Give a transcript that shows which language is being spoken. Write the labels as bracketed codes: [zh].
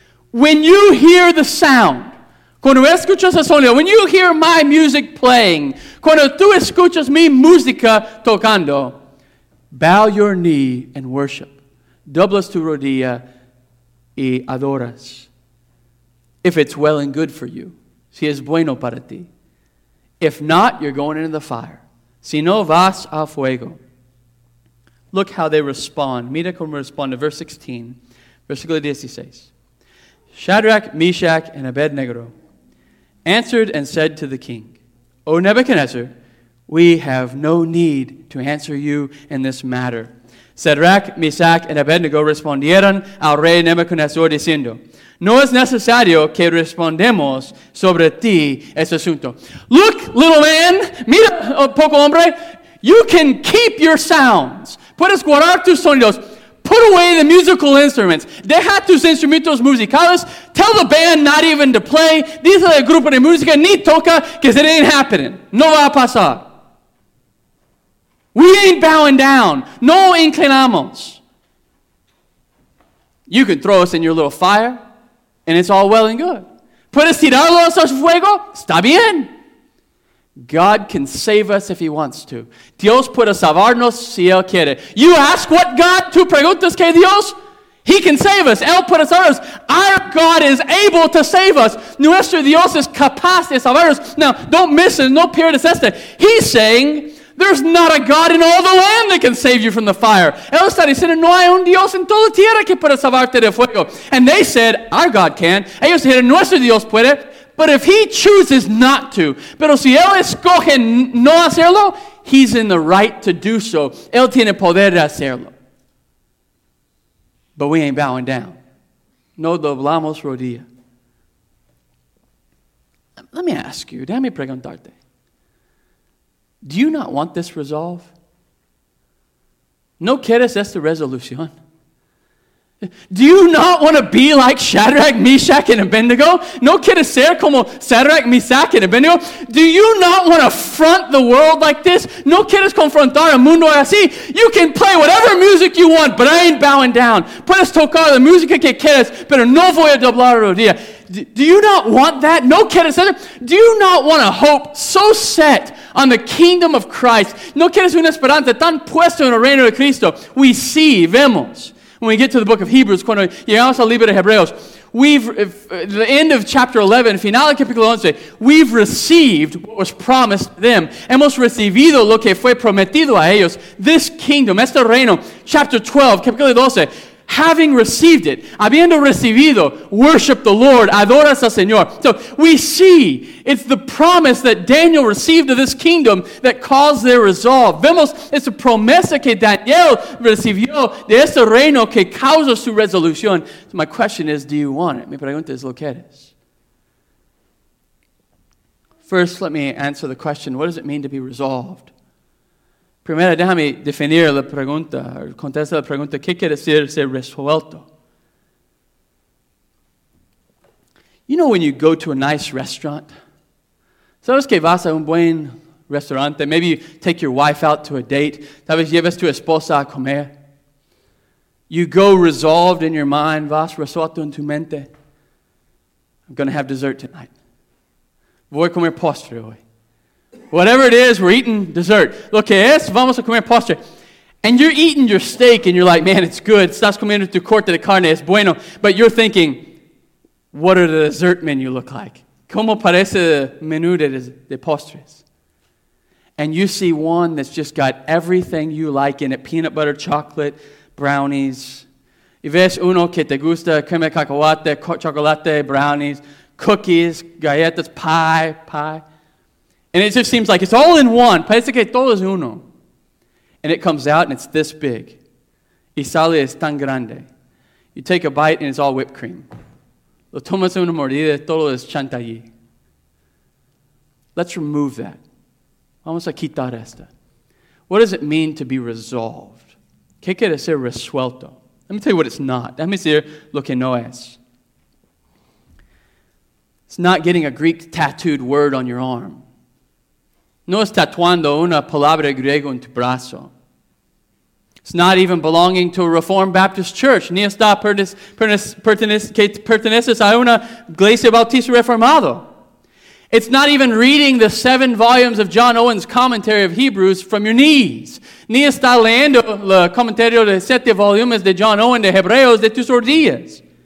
[en] When you hear the sound, [es] cuando escuchas el sonido, [en] when you hear my music playing, [es] cuando tú escuchas mi música tocando, [en] bow your knee and worship. [es] Doblas tu rodilla y adoras. [en] If it's well and good for you, [es] si es bueno para ti. [en] If not, you're going into the fire. [es] Si no, vas a fuego. [en] Look how they respond. [es] Mira cómo responde. [en] Verse 16. [es] Versículo 16. [en] Shadrach, Meshach, and Abednego answered and said to the king, "O Nebuchadnezzar, we have no need to answer you in this matter." [es] Shadrach, Meshach, and Abednego respondieron al rey Nebuchadnezzar diciendo, "No es necesario que respondamos sobre ti este asunto." [en] Look, little man. [es] Mira, poco hombre. [en] You can keep your sounds. [es] Puedes guardar tus sonidos. [en] Put away the musical instruments. [es] Deja tus instrumentos musicales. [en] Tell the band not even to play. [es] Dice al grupo de música, ni toca, [en] because it ain't happening. [es] No va a pasar. [en] We ain't bowing down. [es] No inclinamos. [en] You can throw us in your little fire, and it's all well and good. [es] Puedes tirarlos al fuego. Está bien. [en] God can save us if he wants to. [es] Dios puede salvarnos si él quiere. [en] You ask what God, [es] tú preguntas que Dios, [en] He can save us. [es] Él puede salvarnos. [en] Our God is able to save us. [es] Nuestro Dios es capaz de salvarnos. [en] Now, don't miss it. [es] No pierdas esto. [en] He's saying, there's not a God in all the land that can save you from the fire. [es] Él está diciendo, no hay un Dios en toda tierra que pueda salvarte del fuego. [en] And they said, our God can. [es] Ellos dijeron, nuestro Dios puede. [en] But if he chooses not to, [es] pero si él escoge no hacerlo, [en] he's in the right to do so. [es] Él tiene poder de hacerlo. [en] But we ain't bowing down. [es] No doblamos rodilla. [en] Let me ask you, [es] déjame preguntarte. [en] Do you not want this resolve? [es] No quieres esta resolución? [en] Do you not want to be like Shadrach, Meshach, and Abednego? [es] No quieres ser como Shadrach, Meshach, and Abednego? [en] Do you not want to front the world like this? [es] No quieres confrontar el mundo así? [en] You can play whatever music you want, but I ain't bowing down. [es] Puedes tocar la música que quieres, pero no voy a doblar rodilla. [en] Do you not want that? [es] No quieres ser. [en] Do you not want a hope so set on the kingdom of Christ? [es] No quieres una esperanza tan puesta en el reino de Cristo? [en] We see, [es] vemos. [en] When we get to the book of Hebrews, [es] cuando llegamos al libro de Hebreos, [en] the end of chapter 11, [es] final de capítulo 11, [en] we've received what was promised them. [es] Hemos recibido lo que fue prometido a ellos. [en] This kingdom, [es] este reino, [en] chapter 12, [es] capítulo 12, [en] having received it, [es] habiendo recibido, [en] worship the Lord, [es] adoras al Señor. [en] So we see it's the promise that Daniel received of this kingdom that caused their resolve. [es] Vemos, es la promesa que Daniel recibió de este reino que causa su resolución. [en] So my question is, do you want it? [es] Mi pregunta es, ¿lo quieres? [en] First, let me answer the question, what does it mean to be resolved? [es] Primero, déjame definir la pregunta, contestar la pregunta, ¿qué quiere decir ser resuelto? [en] You know when you go to a nice restaurant? [es] ¿Sabes que vas a un buen restaurante? [en] Maybe you take your wife out to a date. [es] Tal vez lleves tu esposa a comer. [en] You go resolved in your mind, [es] vas resuelto en tu mente. [en] I'm going to have dessert tonight. [es] Voy a comer postre hoy. [en] Whatever it is, we're eating dessert. [es] Lo que es, vamos a comer postre. [en] And you're eating your steak, and you're like, man, it's good. [es] Estás comiendo tu corte de carne, es bueno. [en] But you're thinking, what are the dessert menu look like? [es] ¿Cómo parece el menú de postres? [en] And you see one that's just got everything you like in it. Peanut butter, chocolate, brownies. [es] Y ves uno que te gusta, crema de cacahuate, chocolate, brownies, cookies, galletas, pie. [en] And it just seems like it's all in one. [es] Parece que todo es uno. [en] And it comes out and it's this big. [es] Y sale es tan grande. [en] You take a bite and it's all whipped cream. [es] Lo tomas una mordida y todo es chantilly. [en] Let's remove that. [es] Vamos a quitar esta. [en] What does it mean to be resolved? [es] ¿Qué quiere ser resuelto? [en] Let me tell you what it's not. Let me [es] decir lo que no es. [en] It's not getting a Greek tattooed word on your arm. [es] No es tatuando una palabra griega en tu brazo. [en] It's not even belonging to a Reformed Baptist church. [es] Ni está perteneces a una iglesia bautista reformado. [en] It's not even reading the 7 volumes of John Owen's commentary of Hebrews from your knees. [es] Ni está leyendo el comentario de 7 volumes de John Owen de Hebreos de tus rodillas.